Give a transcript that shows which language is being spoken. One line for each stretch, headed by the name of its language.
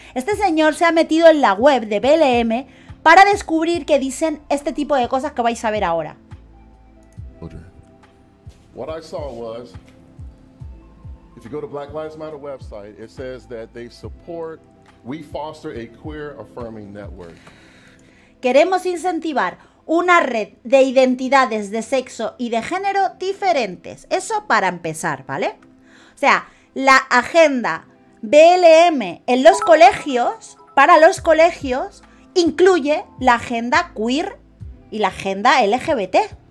Spanish: Este señor se ha metido en la web de BLM para descubrir que dicen este tipo de cosas que vais a ver ahora.
English: What I saw was, if you go to Black Lives Matter website, it says that they support, we foster a queer affirming network.
Spanish: Queremos incentivar una red de identidades de sexo y de género diferentes. Eso para empezar, ¿vale? O sea, la agenda BLM en los colegios, para los colegios, incluye la agenda queer y la agenda LGBT.